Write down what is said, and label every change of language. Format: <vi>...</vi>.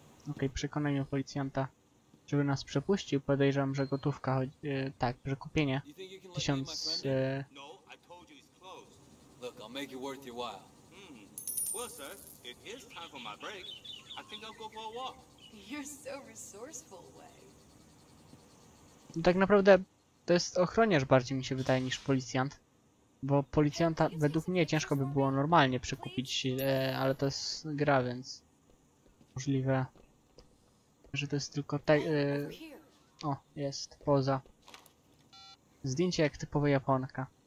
<pl>Okej, przekonaj mnie policjanta, żeby nas przepuścił. Podejrzewam, że gotówka, tak, że kupienie. 1000.</pl> <en>No, I told you he's closed. Look, I'll make it worth your while. Well, sir, it is time for my break. I think I'll go for a walk. You're so resourceful, Wei.</en> <pl>Tak naprawdę to jest ochroniarz bardziej mi się wydaje niż policjant. Bo policjanta według mnie ciężko by było normalnie przekupić, ale to jest gra, więc możliwe, że to jest tylko te... O, jest, poza. Zdjęcie jak typowa Japonka.</pl>